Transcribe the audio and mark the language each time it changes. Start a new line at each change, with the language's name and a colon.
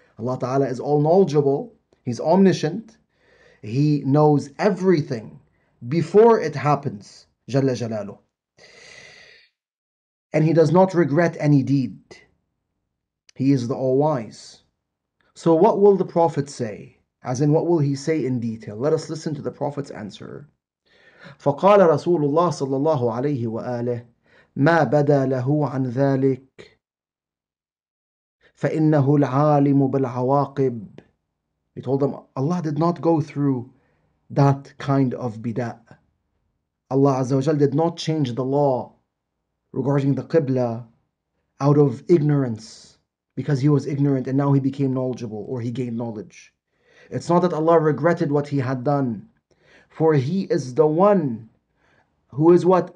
English: Allah Ta'ala is all-knowledgeable. He's omniscient. He knows everything before it happens. Jalla Jalalu. And he does not regret any deed. He is the all-wise. So what will the Prophet say? As in, what will he say in detail? Let us listen to the Prophet's answer.
Arabic: فَقَالَ رَسُولُ اللَّهِ صَلَّى اللَّهُ عَلَيْهِ وَآلِهِ مَا بَدَى لَهُ عَنْ ذَلِكَ فَإِنَّهُ الْعَالِمُ بِالْعَوَاقِبِ.
English: He told them, Allah did not go through that kind of bid'ah. Allah Azza wa Jal did not change the law regarding the Qibla out of ignorance, because he was ignorant and now he became knowledgeable, or he gained knowledge. It's not that Allah regretted what he had done, for he is the one who is what?